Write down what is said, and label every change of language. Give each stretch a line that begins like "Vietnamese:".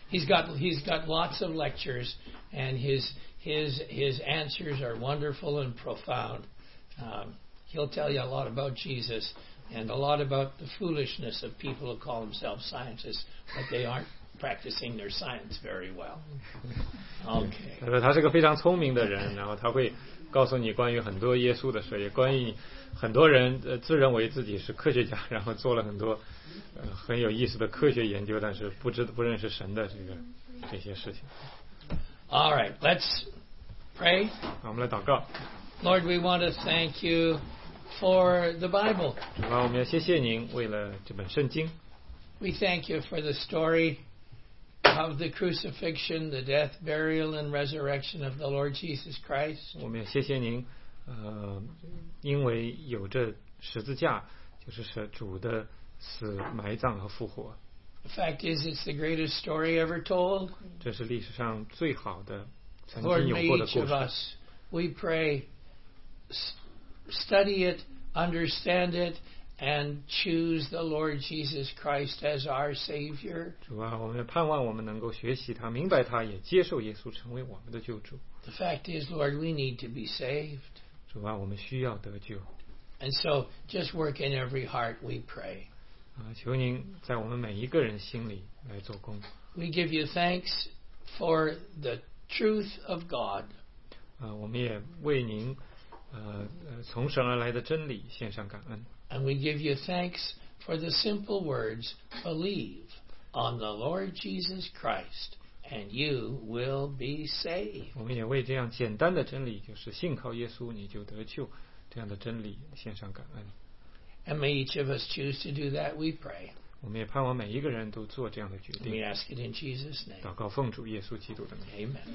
English: He's got lots of lectures, and his answers are wonderful and profound. He'll tell you a lot about Jesus and a lot about the foolishness of people who call themselves scientists, but they aren't practicing their science very well. Okay.
Chinese: 他说他是个非常聪明的人，然后他会告诉你关于很多耶稣的事，也关于很多人自认为自己是科学家，然后做了很多很有意思的科学研究，但是不认识神的这些事情。
English: All right, let's pray.
Chinese: 我们来祷告。
English: Lord, we want to thank you for the Bible.
Chinese: 主啊，我们要谢谢您为了这本圣经。
English: We thank you for the story of the crucifixion, the death, burial, and resurrection of the Lord Jesus Christ.
Chinese: 我们要谢谢您，因为有这十字架，就是主的死、埋葬和复活。
English: The fact is, it's the greatest story ever told.
Chinese: 这是历史上最好的、曾经有过的故事。
English: Lord, may each of us, we pray. Study it, understand it, and choose the Lord Jesus Christ as our Savior.
Chinese: 主啊，我们盼望我们能够学习他，明白他，也接受耶稣成为我们的救主。
English: The fact is, Lord, we need to be saved.
Chinese: 主啊，我们需要得救。
English: And so, just work in every heart, we pray.
Chinese: 求您在我们每一个人心里来做工。
English: We give you thanks for the truth of God.
Chinese: 我们也为您从神而来的真理献上感恩。
English: And we give you thanks for the simple words, believe on the Lord Jesus Christ, and you will be saved.
Chinese: 我们也为这样简单的真理，就是信靠耶稣你就得救，这样的真理献上感恩。
English: And may each of us choose to do that, we pray.
Chinese: 我们也盼望每一个人都做这样的决定。
English: We ask it in Jesus' name.
Chinese: 祷告奉主耶稣基督的名。